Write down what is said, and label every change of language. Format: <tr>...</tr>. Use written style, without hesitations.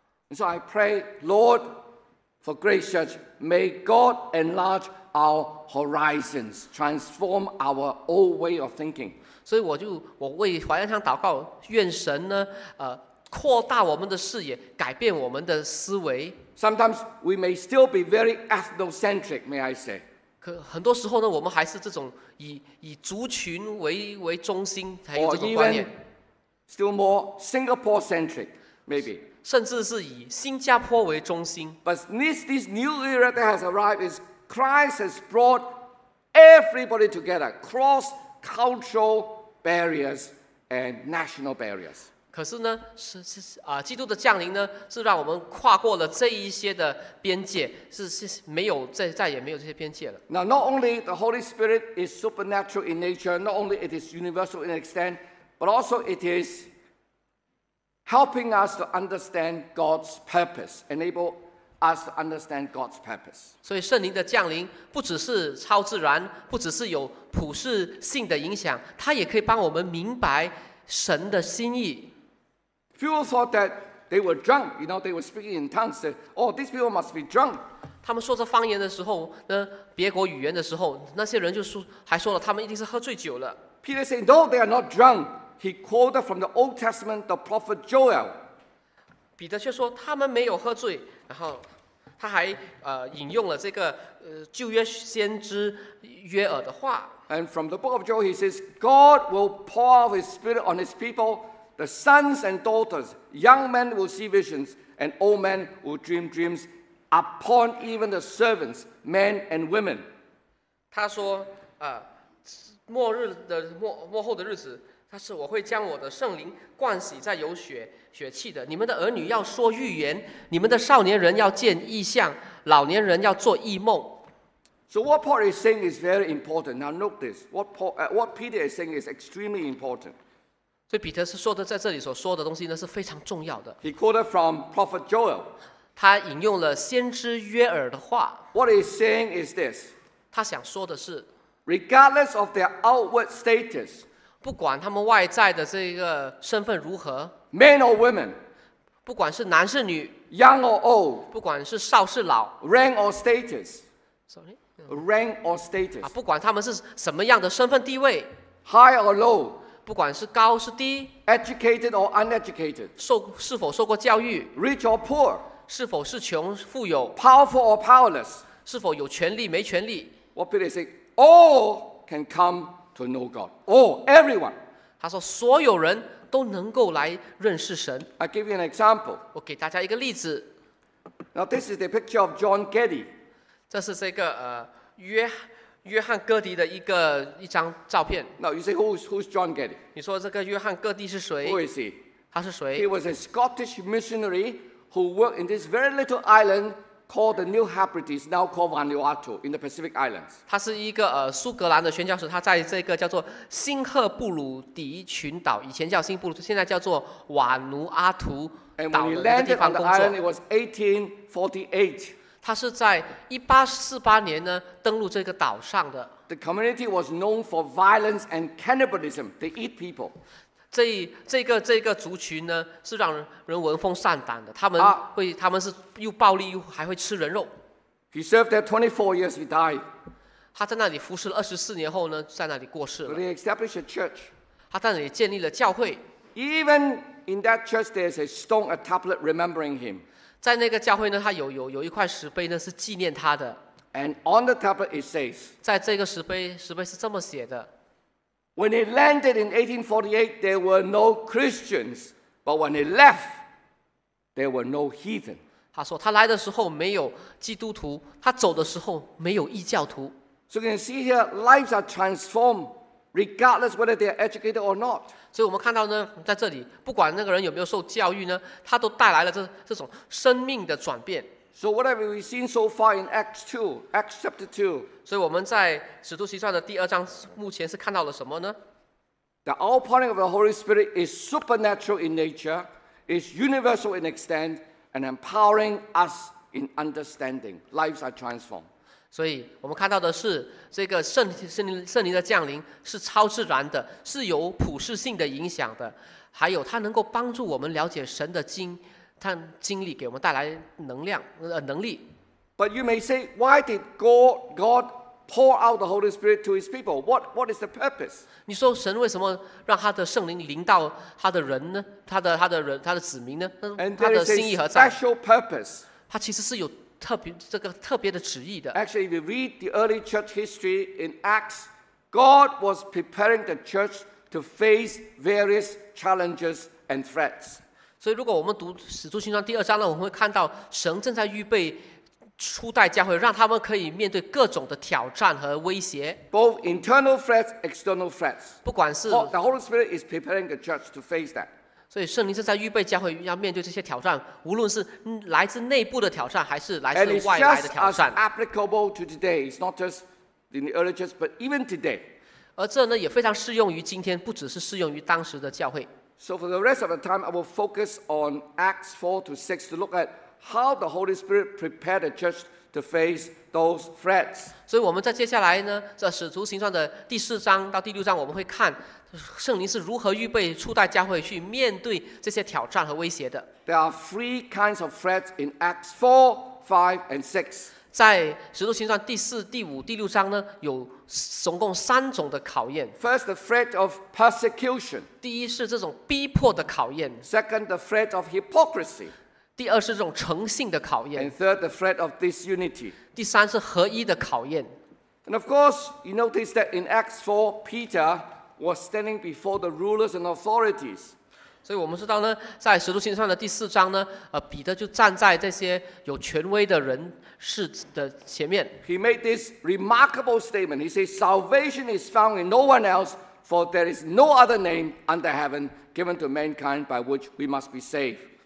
<en>And so I pray, Lord, for Grace Church, may God enlarge our horizons, transform our old way of thinking.</en> <zh>所以我为淮安堂祷告，愿神呢，扩大我们的视野，改变我们的思维。</zh> <en>Sometimes we may still be very ethnocentric, may I say.</en> <zh>可很多时候呢，我们还是这种以族群为中心，才有这种观念。</zh> <en>Or even still more Singapore-centric, maybe.</en> <zh>甚至是以新加坡为中心。</zh> <en>But this new era that has arrived is Christ has brought everybody together, cross cultural barriers and national barriers.</en> <zh>可是呢，基督的降临呢，是让我们跨过了这一些的边界，是没有再也没有这些边界了。</zh> <en>Now, not only the Holy Spirit is supernatural in nature, not only it is universal in extent, but also it is. Helping us to understand God's purpose, enable us to understand God's purpose.</en> <zh>所以圣灵的降临不只是超自然，不只是有普世性的影响，它也可以帮我们明白神的心意。</zh> <en>People thought that they were drunk, you know, they were speaking in tongues. Said, "Oh, these people must be drunk."</en> <zh>他们说着方言的时候，别国语言的时候，那些人就说，还说了，他们一定是喝醉酒了。</zh> <en>Peter said, "No, they are not drunk." He quoted from the Old Testament, the prophet Joel.</en> <zh>彼得却说他们没有喝醉，然后他还引用了这个旧约先知约珥的话。</zh> <en>And from the book of Joel, he says, "God will pour out His Spirit on His people." The sons and daughters, young men will see visions, and old men will dream dreams upon even the servants, men and women.</en> <zh>他说，末日的末后的日子，他是我会将我的圣灵灌洗在有血气的。你们的儿女要说预言，你们的少年人要见异象，老年人要做异梦。</zh> <en>So what Paul is saying is very important. Now note this. What Peter is saying is extremely important.</en> <zh>所以彼得是说的，在这里所说的东西呢是非常重要的。</zh> <en>He quoted from Prophet Joel.</en> <zh>他引用了先知约珥的话。</zh> <en>What he's saying is this.</en> <zh>他想说的是</zh> <en>，Regardless of their outward status,</en> <zh>不管他们外在的这个身份如何</zh> <en>，Men or women,</en> <zh>不管是男是女</zh> <en>，Young or old,</en> <zh>不管是少是老</zh> <en>，Rank or status, sorry, rank or status,</en> <zh>不管他们是什么样的身份地位</zh> <en>，High or low.</en> <zh>不管是高是低</zh> <en>educated or uneducated,</en> <zh>是否受过教育</zh> <en>rich or poor,</en> <zh>是否是穷富有</zh> <en>powerful or powerless,</en> <zh>是否有权力没权力</zh> <en>What Peter is saying, all can come to know God. All, everyone.</en> <zh>他说所有人都能够来认识神</zh> <en>I give you an example.</en> <zh>我给大家一个例子</zh> <en>Now this is the picture of John Getty.</en> <zh>这是这个约翰戈迪的一张照片。</zh> <en>Now you say who's John Getty?</en> <zh>你说这个约翰戈迪是谁</zh> <en>？Who is he?</en> <zh>他是谁</zh> <en>？He was a Scottish missionary who worked in this very little island called the New Hebrides, now called Vanuatu, in the Pacific Islands.</en> <zh>他是一个苏格兰的宣教士，他在这个叫做新赫布鲁迪群岛，以前叫新布鲁，现在叫做瓦努阿图岛的一个地方工作。</zh> <en>And when he landed on the island, it was 1848.</en> <zh>他是在1848年呢登陆这个岛上的。</zh> <en>The community was known for violence and cannibalism. They eat people.</en> <zh>这个族群呢是让人闻风丧胆的。他们是又暴力又还会吃人肉。</zh> <en>He served there 24 years. He died.</en> <zh>他在那里服侍了24年后呢，在那里过世了。</zh> <en>But he established a church.</en> <zh>他在那里建立了教会。</zh> <en>Even in that church, there's a stone, a tablet remembering him.</en> <zh>在那个教会呢，他有一块石碑呢，是纪念他的。</zh> <en>And on the tablet it says，</en> <zh>在这个石碑是这么写的</zh> <en>：When he landed in 1848, there were no Christians, but when he left, there were no heathen。</en> <zh>他说他来的时候没有基督徒，他走的时候没有异教徒。</zh> <en>So you can see here, lives are transformed, regardless whether they are educated or not.</en> <zh>所以我们看到呢，在这里，不管那个人有没有受教育呢，他都带来了这种生命的转变。</zh> <en>So what have we seen so far in Acts chapter 2?</en> <zh>所以我们在《使徒行传》的第二章，目前是看到了什么呢</zh> <en>？The outpouring of the Holy Spirit is supernatural in nature, is universal in extent, and empowering us in understanding. Lives are transformed.</en> <zh>所以我们看到的是这个圣灵的降临是超自然的，是有普世性的影响的，还有它能够帮助我们了解神的经历，给我们带来能力。</zh> <en>But you may say, why did God pour out the Holy Spirit to His people? What is the purpose?</en> <zh>你说神为什么让他的圣灵临到他的人呢？他的子民呢？他的心意何在</zh> <en>？And there is a special purpose.</en> <zh>他其实是有。特别的旨意的。</zh> <en>Actually, if you read the early church history in Acts, God was preparing the church to face various challenges and threats.</en> <zh>所以，如果我们读《使徒行传》第二章呢，我们会看到神正在预备初代教会，让他们可以面对各种的挑战和威胁。</zh> <en>Both internal threats, external threats.</en> <zh>不管是</zh> <en>The Holy Spirit is preparing the church to face that.</en> <zh>所以圣灵是在预备教会要面对这些挑战，无论是来自内部的挑战，还是来自外来的挑战。</zh> <en>And it's just as applicable to today. It's not just in the early church, but even today.</en> <zh>而这呢也非常适用于今天，不只是适用于当时的教会。</zh> <en>So for the rest of the time, I will focus on Acts 4 to 6 to look at how the Holy Spirit prepared the church to face those threats.</en> <zh>所以我们在接下来呢，这《使徒行传》的第四章到第六章，我们会看圣灵是如何预备初代教会去面对这些挑战和威胁的。</zh> <en>There are three kinds of threats in Acts 4, 5, and 6.</en> <zh>在《使徒行传》第四、第五、第六章呢，有总共三种的考验。</zh> <en>First, the threat of persecution.</en> <zh>第一是这种逼迫的考验。</zh> <en>Second, the threat of hypocrisy.</en> <zh>第二是这种诚信的考验。</zh> <en>And third, the threat of disunity.</en> <zh>第三是合一的考验。</zh> <en>And of course, you notice that in Acts 4, Peter was standing before the rulers and authorities.</en> <zh>所以我们知道呢，在《使徒行传》的第四章呢，彼得就站在这些有权威的人士的前面。</zh> <en>He made this remarkable statement. He says, "Salvation is found in no one else, for there is no other name under heaven given to mankind by which we must be saved."</en>